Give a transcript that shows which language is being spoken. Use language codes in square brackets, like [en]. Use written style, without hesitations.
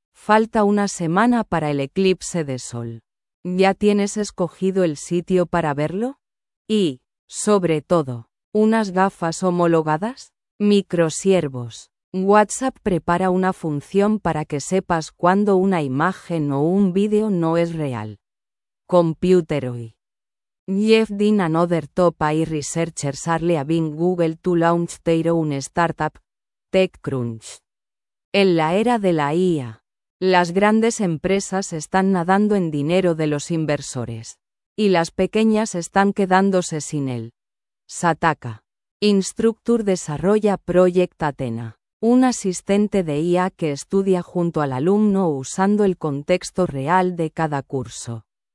[es] Falta una semana para el eclipse de sol. ¿Ya tienes escogido el sitio para verlo? Y, sobre todo, ¿unas gafas homologadas? Microsiervos. WhatsApp prepara una función para que sepas cuando una imagen o un vídeo no es real. [en] Computer OI. Jeff Dean and other top AI researchers are leaving Google to launch their own startup, TechCrunch. [es] En la era de la IA, las grandes empresas están nadando en dinero de los inversores. Y las pequeñas están quedándose sin él. Sataka. Instructure desarrolla Project Athena, un asistente de IA que estudia junto al alumno usando el contexto real de cada curso.